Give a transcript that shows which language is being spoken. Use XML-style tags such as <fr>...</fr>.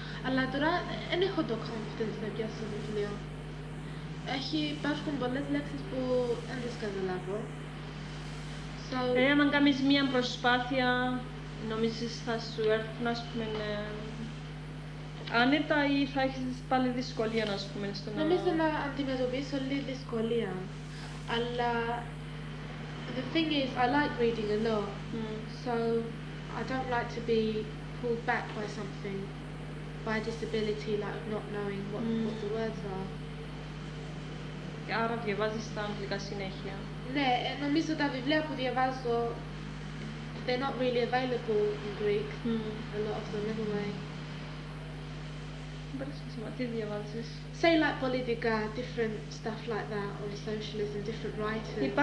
<el>Αλλά τώρα δεν έχω το confidence να πιάσω το βιβλίο. Υπάρχουν πολλές λέξεις που δεν τις καταλάβω. Αν κάνεις μία προσπάθεια, νομίζεις θα σου έρθουν, ας πούμε, άνετα ή θα έχεις πάλι δυσκολία, ας πούμε, στο να... Νομίζω να αντιμετωπίσω λίγη δυσκολία, αλλά...</el> <en>The thing is, I like reading a lot, so I don't like to be pulled back by something, by a disability, like not knowing what the words are.</en> <el>Άρα διαβάζεις τα αγγλικά συνέχεια. Ναι, νομίζω τα βιβλία που διαβάζω,</el> <en>they're not really available in Greek, a lot of them, anyway.</en> <el>Μπορείς να τι διαβάζεις?</el> <en>Say like politica, different stuff like that, or socialism, different writers.</en>